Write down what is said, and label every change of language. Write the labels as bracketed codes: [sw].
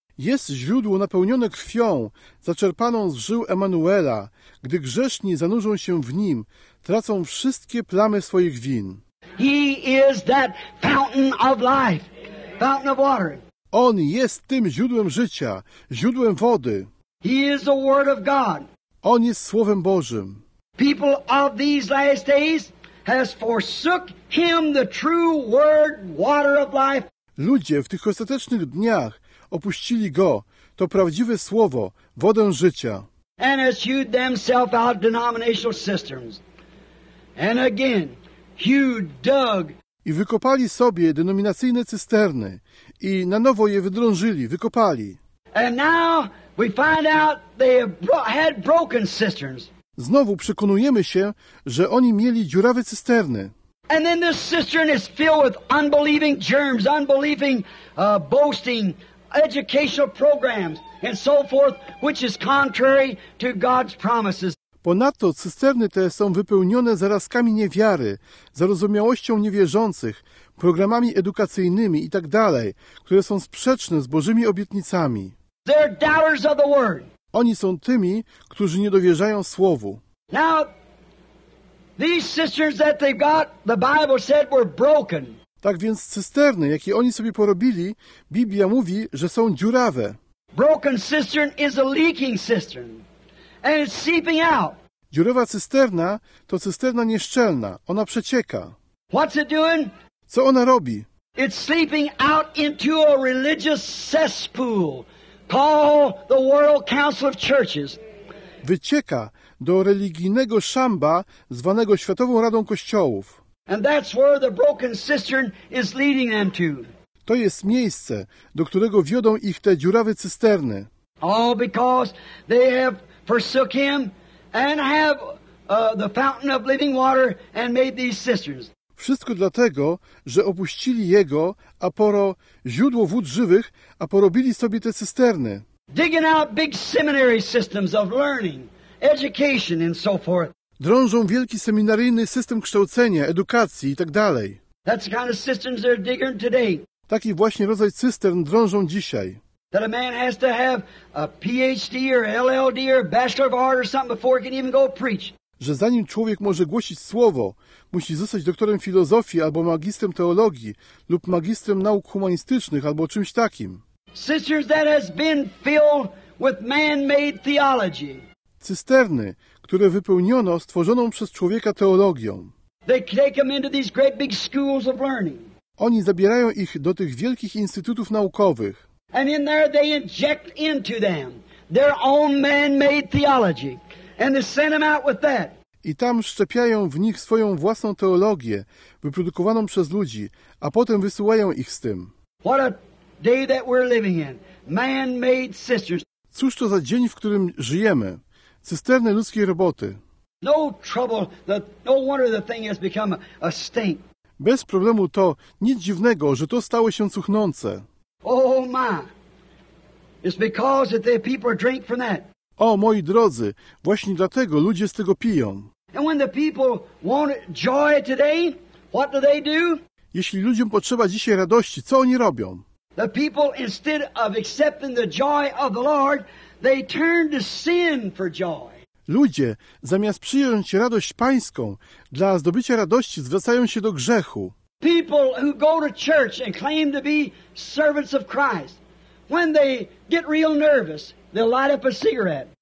[pl] Jest źródło napełnione krwią, zaczerpaną z żył Emanuela, gdy grzeszni zanurzą się w nim, tracą wszystkie plamy swoich win. [en] He is that fountain of life, fountain of water. [pl] On jest tym źródłem życia, źródłem wody. [en] He is the word of God. [pl] On jest Słowem Bożym. [en] People of these last days has forsook him, the true word, water of life. [pl] Ludzie w tych ostatecznych dniach opuścili go, to prawdziwe słowo, wodę życia. [en] And has hewed themselves out denominational cisterns. And again, hewed, dug. [pl] I wykopali sobie denominacyjne cysterny i na nowo je wydrążyli, wykopali. [en] And now we find out they had broken cisterns. [pl] Znowu przekonujemy się, że oni mieli dziurawe cysterny. [en] And then this cistern is filled with unbelieving germs, unbelieving boasting, educational programs and so forth, which is contrary to God's promises. [pl] Ponadto cysterny te są wypełnione zarazkami niewiary, zarozumiałością niewierzących, programami edukacyjnymi i tak dalej, które są sprzeczne z Bożymi obietnicami. [en] They're doubters of the word. [pl] Oni są tymi, którzy nie dowierzają słowu. [en] Now, these cisterns that they got, the Bible said were broken. [pl] Tak więc cysterny, jakie oni sobie porobili, Biblia mówi, że są dziurawe. [en] Broken cistern is a leaking cistern. And it's seeping out. [pl] Dziurawa cysterna to cysterna nieszczelna. Ona przecieka. [en] What's it doing? [pl] Co ona robi? [en] It's seeping out into a religious cesspool called the World Council of Churches. [pl] Wycieka do religijnego szamba zwanego Światową Radą Kościołów. [en] And that's where the broken cistern is leading them to. [pl] To jest miejsce, do którego wiodą ich te dziurawe cysterny. [en] All because they have forsook him and have the fountain of living water and made these cisterns. [pl] Wszystko dlatego, że opuścili jego, a poro źródło wód żywych, a porobili sobie te cysterny. [en] Digging out big seminary systems of learning, education and so forth. [pl] Drążą wielki seminaryjny system kształcenia, edukacji i tak dalej. [en] That's the kind of systems they're digging today. [pl] Taki właśnie rodzaj cystern drążą dzisiaj. [en] That a man has to have a PhD or LLD or Bachelor of Art or something before he can even go preach. [pl] Że zanim człowiek może głosić słowo, musi zostać doktorem filozofii albo magistrem teologii lub magistrem nauk humanistycznych albo czymś takim. [en] Cisterns that has been filled with man-made theology. [pl] Cysterny, które wypełniono stworzoną przez człowieka teologią. [en] They take them into these great big schools of learning. [pl] Oni zabierają ich do tych wielkich instytutów naukowych. [en] And in there they inject into them their own man-made theology. And they send them out with that. [pl] I tam szczepiają w nich swoją własną teologię, wyprodukowaną przez ludzi, a potem wysyłają ich z tym. [en] What a day that we're living in. Man-made cisterns. [pl] Cóż to za dzień, w którym żyjemy? Cysterny ludzkiej roboty. [en] No trouble, no wonder the thing has become a stink. [pl] Bez problemu to, nic dziwnego, że to stało się cuchnące. [en] Oh my, it's because that the people drink from that. [pl] O, moi drodzy, właśnie dlatego ludzie z tego piją. [en] And when the people want joy today, what do they do? [pl] Jeśli ludziom potrzeba dzisiaj radości, co oni robią? [en] The people, instead of accepting the joy of the Lord, they turn to sin for joy. [pl] Ludzie, zamiast przyjąć radość pańską, dla zdobycia radości zwracają się do grzechu. [en] People who go to church and claim to be servants of Christ, when they get real nervous, they'll light up a cigarette.